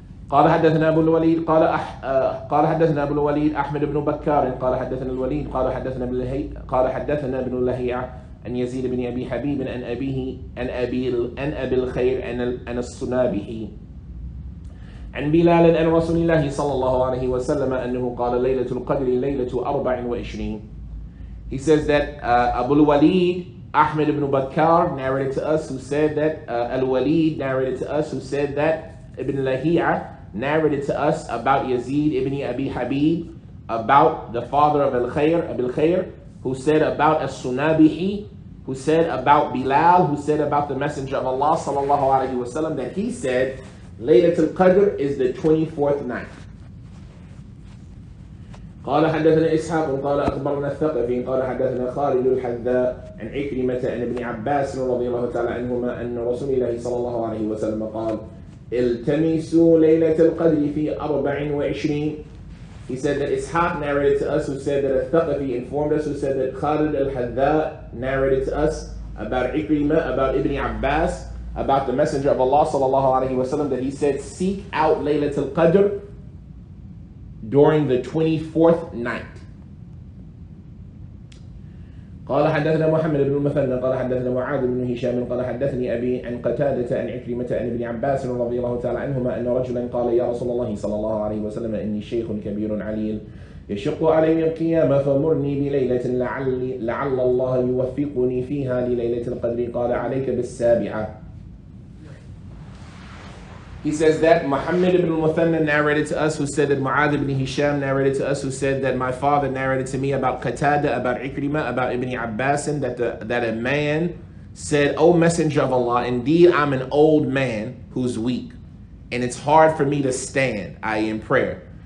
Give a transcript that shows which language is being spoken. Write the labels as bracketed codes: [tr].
[ar] قال حدثنا أبو الوليد قال قال حدثنا أبو الوليد أحمد بن بكار قال حدثنا الوليد قال حدثنا ابن لهيعة قال حدثنا ابن لهيعة أن يزيد بن أبي حبيب أن أبيه أن أبي أن أبي الخير أن الصنابه عن بلال أن رسول الله صلى الله عليه وسلم أنه قال ليلة القدر ليلة 24. [en] He says that Abu al-Walid Ahmed ibn Bakar narrated to us who said that al-Walid narrated to us who said that Ibn Lahiyah narrated to us about Yazid ibn Abi Habib about the father of al-Khair, Abil Khair, who said about as-Sunabihi, who said about Bilal, who said about the Messenger of Allah sallallahu alayhi wa sallam, that he said Laylatul Qadr is the 24th night. [ar] قال حدثنا إسحاق قال أخبرنا الثقفي قال حدثنا خالد الحذاء عن عكرمة عن ابن عباس رضي الله تعالى عنهما أن رسول الله صلى الله عليه وسلم قال التمسوا ليلة القدر في 24. [en] He said that Ishaq narrated to us who said that al-Thaqafi informed us who said that Khalid al-Hadha narrated to us about Ikrimah, about Ibn Abbas, about the Messenger of Allah sallallahu alayhi wa sallam, that he said, seek out Laylatul Qadr during the 24th night. [ar] قال حدثنا محمد بن المثنى قال حدثنا معاذ بن هشام قال حدثني أبي عن قتادة عن عكرمة عن ابن عباس رضي الله تعالى عنهما أن رجلا قال يا رسول الله صلى الله عليه وسلم إني شيخ كبير عليل يشق علي القيامة فمرني بليلة لعل الله يوفقني فيها لليلة القدر قال عليك بالسابعة. [en] He says that Muhammad ibn al-Muthanna narrated to us who said that Mu'adh ibn Hisham narrated to us who said that my father narrated to me about Qatada, about Ikrimah, about Ibn Abbas, that a man said, O Messenger of Allah, indeed I'm an old man who's weak, and it's hard for me to stand, i.e. in prayer.